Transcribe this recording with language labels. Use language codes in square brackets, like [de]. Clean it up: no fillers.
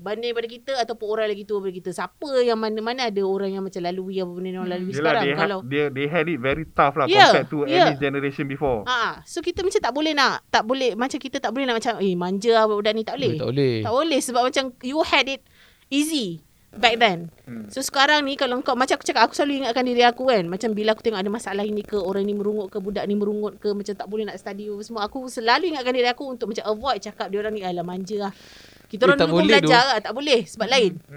[ms] Banding daripada kita ataupun orang lagi tua daripada kita. Siapa yang mana-mana ada orang yang macam lalui apa benda yang lalui sekarang. [en] They had it very tough lah compared to any generation before. [ms] So kita macam tak boleh nak, tak boleh, macam kita tak boleh nak macam manja lah budak ni, tak boleh. Tak boleh sebab macam [en] you had it easy back then. [ms] So sekarang ni kalau kau, macam aku cakap, aku selalu ingatkan diri aku kan, macam bila aku tengok ada masalah ini ke, orang ni merungut ke, budak ni merungut ke, macam tak boleh nak study semua, aku selalu ingatkan diri aku untuk macam avoid cakap dia orang ni alah manja lah. Kita orang dulu belajar lah, tak boleh sebab lain.